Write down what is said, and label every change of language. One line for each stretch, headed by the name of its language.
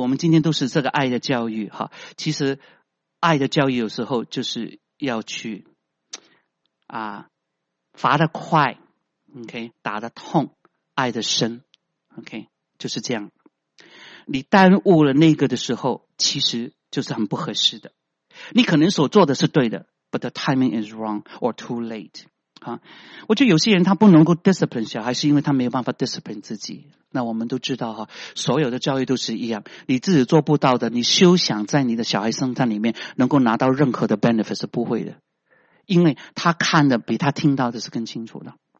Chinese: 我们今天都是这个爱的教育哈，其实爱的教育有时候就是要去啊，罚得快 ，OK， 打得痛，爱得深 ，OK， 就是这样。你耽误了那个的时候，其实就是很不合适的。你可能所做的是对的 ，but
English: but the timing is wrong or too late.
Chinese: 啊，我觉得有些人他不能够 discipline 小孩，是因为他没有办法 discipline 自己。那我们都知道哈，所有的教育都是一样，你自己做不到的，你休想在你的小孩身上里面能够拿到任何的 benefit， 是不会的，因为他看的比他听到的是更清楚的。